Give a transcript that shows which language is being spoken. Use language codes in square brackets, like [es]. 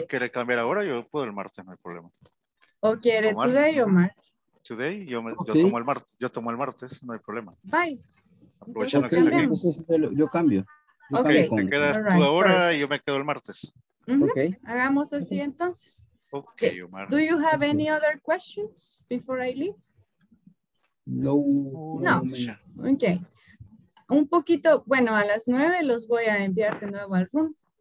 [es] Lo quiere cambiar ahora, yo puedo el martes, no hay problema. ¿O quiere Omar, today, Omar? Today, yo tomo el martes, no hay problema. [en] Bye. [es] Aprovechando que yo cambio. Ok, te quedas tú ahora y yo me quedo el martes. Okay. Hagamos así entonces. [en] Okay, Omar. Do you have any other questions before I leave? No. Ok. [es] Un poquito, bueno, a las 9 los voy a enviar de nuevo al room.